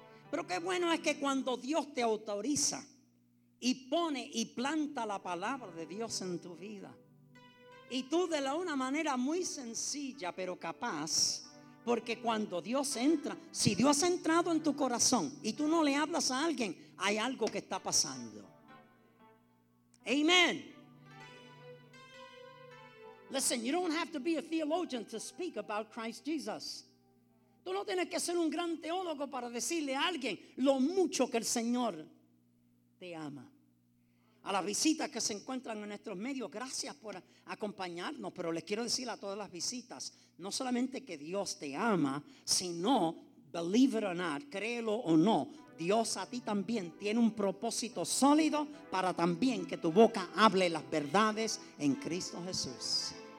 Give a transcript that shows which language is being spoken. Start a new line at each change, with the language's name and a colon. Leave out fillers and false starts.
Spanish: Pero qué bueno es que cuando Dios te autoriza y pone y planta la palabra de Dios en tu vida, y tú de una manera muy sencilla pero capaz, porque cuando Dios entra, si Dios ha entrado en tu corazón y tú no le hablas a alguien, hay algo que está pasando.
English: Amen. Listen, you don't have to be a theologian to speak about Christ Jesus.
Spanish: Tú no tienes que ser un gran teólogo para decirle a alguien lo mucho que el Señor te ama. A las visitas que se encuentran en nuestros medios, gracias por acompañarnos, pero les quiero decir a todas las visitas, no solamente que Dios te ama, sino,
English: believe it or not,
Spanish: créelo o no, Dios a ti también tiene un propósito sólido para también que tu boca hable las verdades en Cristo Jesús.